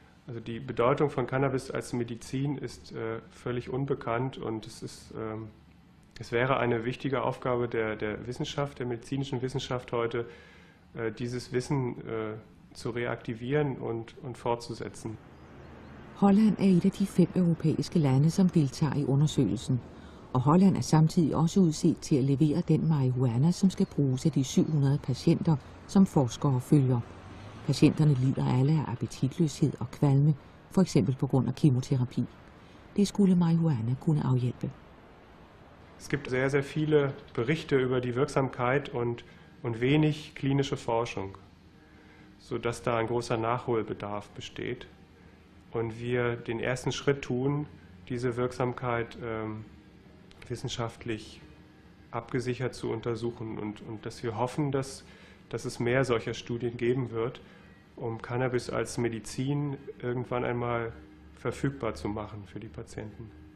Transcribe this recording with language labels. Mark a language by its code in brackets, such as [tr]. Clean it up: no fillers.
[de] Also die Bedeutung von Cannabis als Medizin ist völlig unbekannt und es ist, es wäre eine wichtige Aufgabe der Wissenschaft, der medizinischen Wissenschaft heute, dieses Wissen zu reaktivieren und fortzusetzen. [da] Holland er et af de fem europæiske lande, som deltager i undersøgelsen. Og Holland er samtidig også udset til at levere den marihuana, som skal bruges af de 700 patienter, som forskere følger. Patienterne lider alle af appetitløshed og kvalme, for eksempel på grund af kemoterapi. Det skulle marihuana kunne afhjælpe. [de] Es gibt sehr, sehr viele Berichte über die Wirksamkeit und wenig klinische Forschung, sodass da ein großer Nachholbedarf besteht. Und wir den ersten Schritt tun, diese Wirksamkeit wissenschaftlich abgesichert zu untersuchen und dass wir hoffen, dass es mehr solcher Studien geben wird, um Cannabis als Medizin irgendwann einmal verfügbar zu machen für die Patienten.